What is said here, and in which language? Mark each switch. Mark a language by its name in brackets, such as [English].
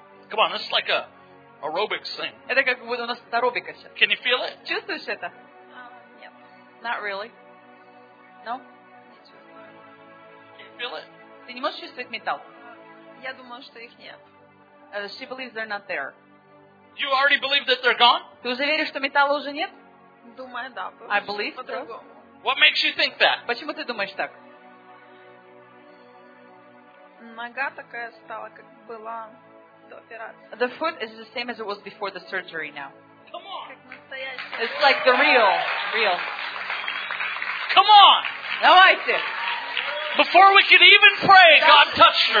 [English] Come on, this is like a aerobics thing. [Russian] Это как будто у нас аэробика сейчас. [English] Can you feel it? [Russian] Чувствуешь это? Нет. [English] Not really. No? Can you feel it? [Russian] Ты не можешь чувствовать металл? Я думала, что их нет. [English] She believes they're not there. You already believe that they're gone? [Russian] Ты уже веришь, что металла уже нет? Думаю, да. [English] I believe so. What makes you think that? [Russian] Почему ты думаешь так? Нога такая стала, как была до операции. [English] The foot is the same as it was before the surgery now. Come on. [Russian] Как настоящая. [English] It's like the real. Come on. [Russian] Давайте. [English] Before we could even pray, God touched her.